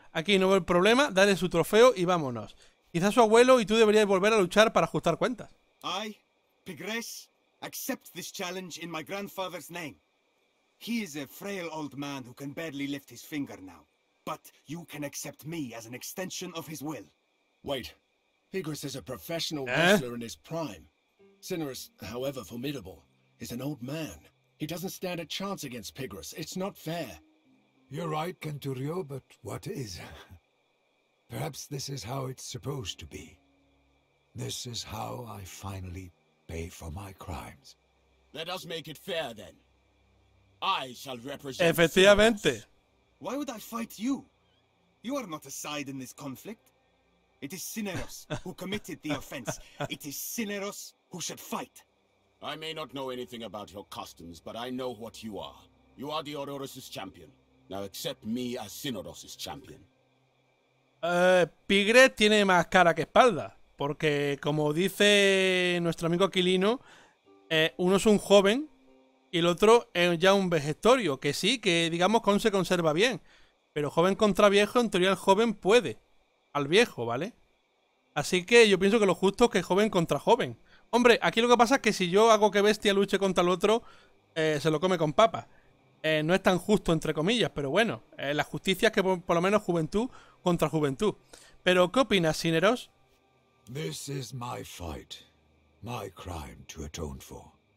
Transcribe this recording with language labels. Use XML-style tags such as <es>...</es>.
<es>Aquí no veo el problema, dale su trofeo y vámonos. Quizás su abuelo y tú deberíais volver a luchar para ajustar cuentas.</es> <en>I, Pigres, accept this challenge in my grandfather's name. He is a frail old man who can barely lift his finger now. But you can accept me as an extension of his will. Wait, Pigres is a professional wrestler in his prime. Cinerus, however formidable, is an old man. He doesn't stand a chance against Pigres. It's not fair. You're right, Canturio, but what is? Perhaps this is how it's supposed to be. This is how I finally pay for my crimes. Let us make it fair, then. I shall represent...</en> <es>Efectivamente.</es> <en>Why would I fight you? You are not a side in this conflict. It is Sinneros who committed the offense. It is Sinneros who should fight. I may not know anything about your customs, but I know what you are. You are the Aurorus' champion. Now accept me as Sinneros' champion.</en> <es>Pigre tiene más cara que espalda. Porque, como dice nuestro amigo Aquilino, uno es un joven y el otro es ya un vejestorio. Que sí, que digamos que aún se conserva bien. Pero joven contra viejo, en teoría el joven puede. Al viejo, ¿vale? Así que yo pienso que lo justo es que joven contra joven. Hombre, aquí lo que pasa es que si yo hago que Bestia luche contra el otro, se lo come con papa. No es tan justo, entre comillas, pero bueno, la justicia es que por lo menos juventud contra juventud. Pero, ¿qué opinas, Sinneros?</es> <en>This is my fight, my crime to atone for.</en>